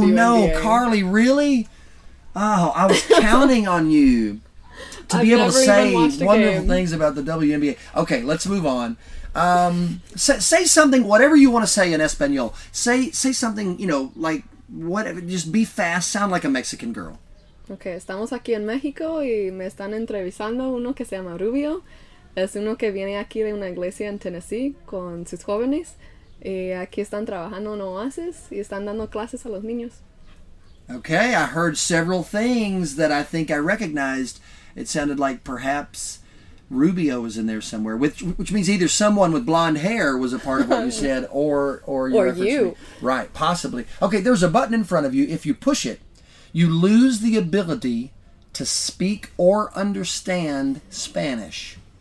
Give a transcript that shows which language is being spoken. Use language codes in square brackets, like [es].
[en] the no, Carly, really? Oh, I was counting on you. To be I've able to say wonderful game. Things about the WNBA. Okay, let's move on. Say something, whatever you want to say in Espanol. Say something, you know, like, whatever. Just be fast, sound like a Mexican girl. [es] Okay, estamos aquí en México y me están entrevistando uno que se llama Rubio. Es uno que viene aquí de una iglesia en Tennessee con sus jóvenes. Y aquí están trabajando en oasis y están dando clases a los niños. [en] Okay, I heard several things that I think I recognized. It sounded like perhaps Rubio was in there somewhere, which means either someone with blonde hair was a part of what you said, or you. Me. Right, possibly. Okay, there's a button in front of you. If you push it, you lose the ability to speak or understand Spanish.